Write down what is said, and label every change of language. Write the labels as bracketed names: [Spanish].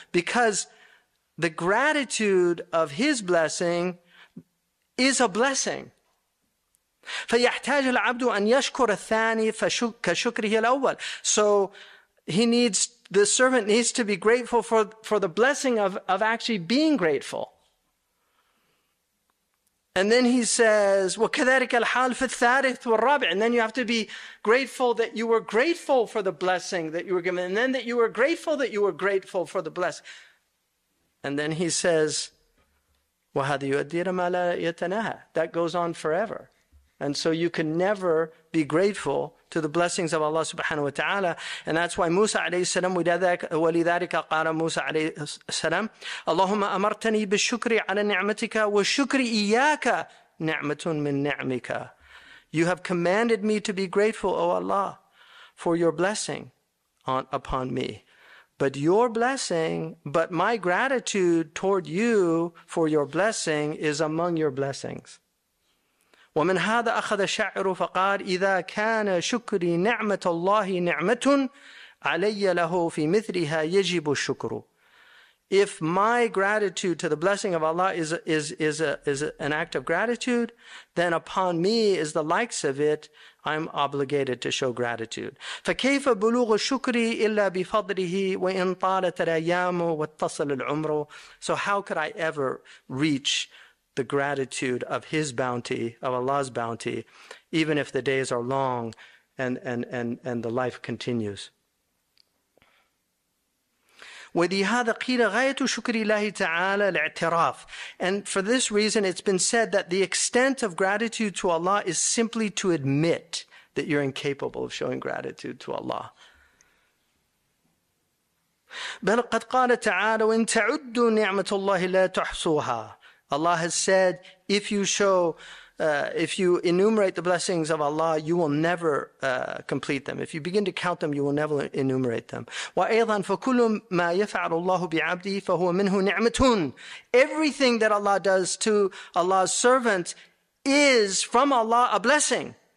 [English] Because the gratitude of his blessing is a blessing. [Arabic] فيحتاج العبد أن يشكر الثاني كشكره الأول. [English] So he needs, the servant needs to be grateful for the blessing of actually being grateful. And then he says, [Arabic] وكذلك الحال في الثالث والرابع. [English] And then you have to be grateful that you were grateful for the blessing that you were given. And then that you were grateful that you were grateful for the blessing. And then he says, [Arabic] وَهَذِي يُؤَدِّيرَ مَا لَا يَتَنَاهَا. [English] That goes on forever. And so you can never be grateful to the blessings of Allah subhanahu wa ta'ala. And that's why Musa alayhi salam, [Arabic] وَلِذَٰلِكَ قَالَ مُوسَى عَلَيْهِ السَّلَامِ اللَّهُمَّ أَمَرْتَنِي بِالشُّكْرِ عَلَى نِعْمَتِكَ وَشُكْرِ إِيَّاكَ نِعْمَةٌ مِّن نِعْمِكَ. [English] You have commanded me to be grateful, O Allah, for your blessing upon me. But your blessing, but my gratitude toward you for your blessing is among your blessings. [Arabic] ومن هذا أخذ الشاعر فقال إذا كان شكري نعمة الله نعمة علي له في مثلها يجب الشكر. [English] If my gratitude to the blessing of Allah is an act of gratitude, then upon me is the likes of it, I'm obligated to show gratitude. [Arabic] فكيف بلوغ شكري إلا بفضله وإن طالت الأيام واتصل العمر. [English] So how could I ever reach the gratitude of His bounty, of Allah's bounty, even if the days are long and the life continues? [Arabic] ولهذا قيل غاية شكر الله تعالى الاعتراف. [English] And for this reason, it's been said that the extent of gratitude to Allah is simply to admit that you're incapable of showing gratitude to Allah. [Arabic] بل قد قال تعالى وإن تعدوا نعمة الله لا تحصوها. [English] Allah has said, if you show, if you enumerate the blessings of Allah, you will never complete them. If you begin to count them, you will never enumerate them. [Arabic] وَأَيْضًا فَكُلُّ مَا يَفْعَلُ اللَّهُ بِعَبْدِهِ فَهُوَ مِنْهُ نِعْمَةٌ. [English] Everything that Allah does to Allah's servant is from Allah a blessing.